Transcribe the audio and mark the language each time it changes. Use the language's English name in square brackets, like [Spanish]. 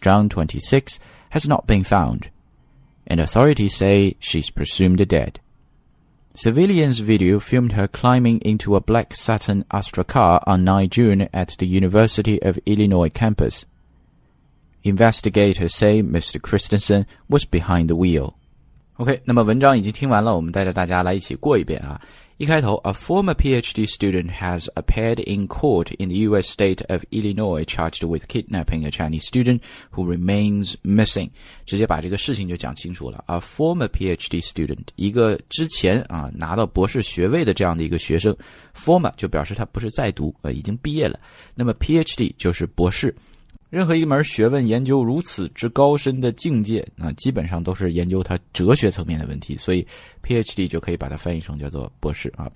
[English] Zhang, 26, has not been found, and authorities say she's presumed dead. Civilians video filmed her climbing into a black Saturn Astra car on 9 June at the University of Illinois campus. Investigators say Mr. Christensen was behind the wheel. [Chinese] OK, 那么文章已经听完了，我们带着大家来一起过一遍啊。 [English] 一开头 ,a former PhD student has appeared in court in the US state of Illinois charged with kidnapping a Chinese student who remains missing. [Chinese] 直接把这个事情就讲清楚了。 A former PhD student, 一个之前啊拿到博士学位的这样的一个学生 ,former 就表示他不是在读已经毕业了。那么 PhD 就是博士。任何一门学问研究如此之高深的境界啊，基本上都是研究它哲学层面的问题，所以 PhD 就可以把它翻译成叫做博士啊。